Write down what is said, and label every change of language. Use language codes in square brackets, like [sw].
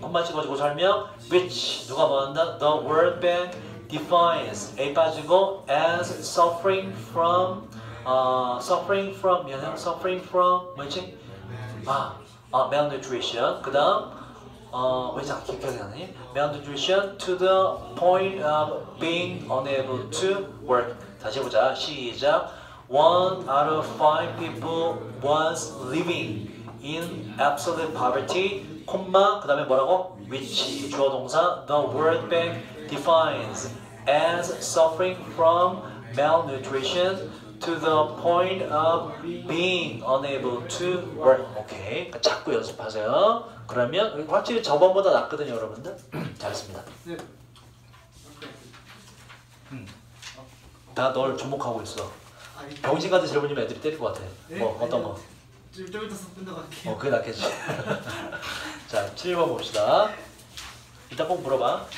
[ko] 콤마 찍어주고 설명. [en] Which [ko] 누가 말한다? [en] The World Bank defines A [ko] 빠지고 [en] as suffering from suffering from [ko] 뭐냐? [en] Suffering from [ko] 뭐지? [en] malnutrition. [ko] 그다음 왜 자꾸 기억이 안 나니? [en] Malnutrition to the point of being unable to work. [ko] 다시 보자. 시작. [en] One out of five people was living in absolute poverty. [ko] 콤마 그다음에 뭐라고? [en] Which [ko] 주어 동사 [en] the World Bank defines as suffering from malnutrition to the point of being unable to work. [ko] 오케이. 자꾸 연습하세요. 그러면 확실히 저번보다 낫거든요, 여러분들. 잘했습니다. 나 널 주목하고 있어. 병신 같은 질문이면 애들이 때릴 것 같아. 네? 뭐 어떤 거? 좀 이따 썼던 것 같아. 그게 낫겠지. 자, 7번 봅시다. 이따 꼭 물어봐.